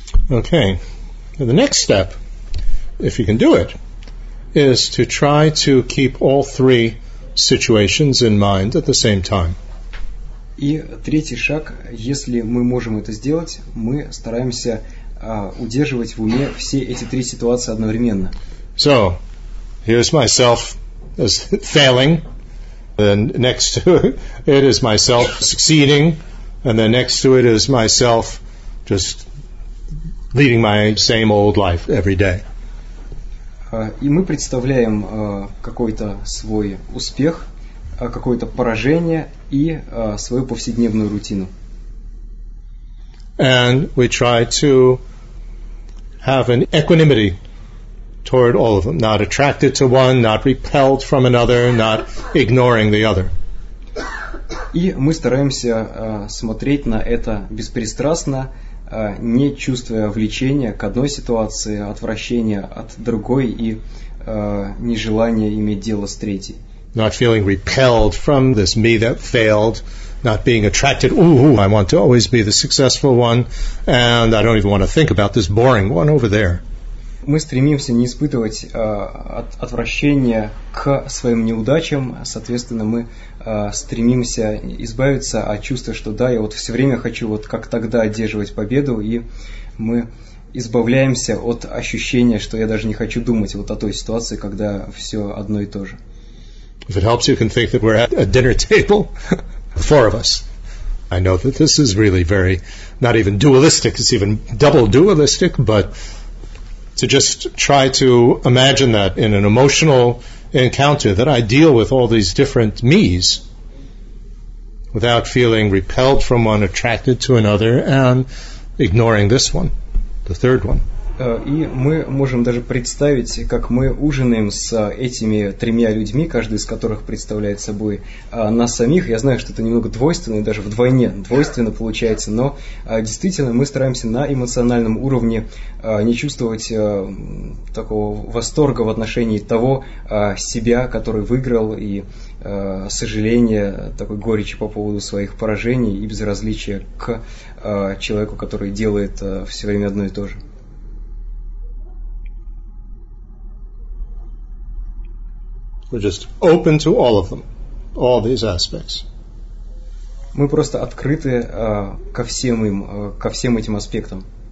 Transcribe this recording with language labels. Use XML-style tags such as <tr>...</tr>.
<en>Okay, the next step, if you can do it, is to try to keep all three situations in mind at the same time.</en> <ru>И третий шаг, если мы можем это сделать, мы стараемся удерживать в уме все эти три ситуации одновременно.</ru> <en>So, here's myself as failing, then next to it is myself succeeding, and then next to it is myself just leading my same old life every day.</en> <ru>И мы представляем какой-то свой успех, какое-то поражение и свою повседневную рутину.</ru> <en>And we try to have an equanimity toward all of them, not attracted to one, not repelled from another, not ignoring the other.</en> <ru>И мы стараемся смотреть на это беспристрастно, не чувствуя влечения к одной ситуации, отвращения от другой и нежелания иметь дело с третьей.</ru> <en>Not feeling repelled from this me that failed, not being attracted, ooh, I want to always be the successful one, and I don't even want to think about this boring one over there.</en> <ru>Мы стремимся не испытывать отвращения к своим неудачам, соответственно, мы стремимся избавиться от чувства, что да, я вот все время хочу вот как тогда одерживать победу, и мы избавляемся от ощущения, что я даже не хочу думать вот о той ситуации, когда все одно и то же.</ru> <en>If it helps, you can think that we're at a dinner table, four of us. I know that this is really very, not even dualistic, it's even double dualistic, but to just try to imagine that in an emotional encounter that I deal with all these different me's without feeling repelled from one, attracted to another, and ignoring this one, the third one.</en> <ru>И мы можем даже представить, как мы ужинаем с этими тремя людьми, каждый из которых представляет собой нас самих. Я знаю, что это немного двойственно, и даже вдвойне двойственно получается, но действительно мы стараемся на эмоциональном уровне не чувствовать такого восторга в отношении того себя, который выиграл, и сожаления, такой горечи по поводу своих поражений и безразличия к человеку, который делает все время одно и то же.</ru> <en>We're just open to all of them, all these aspects.</en> <ru>Мы просто открыты ко всем им, ко всем этим аспектам.</ru>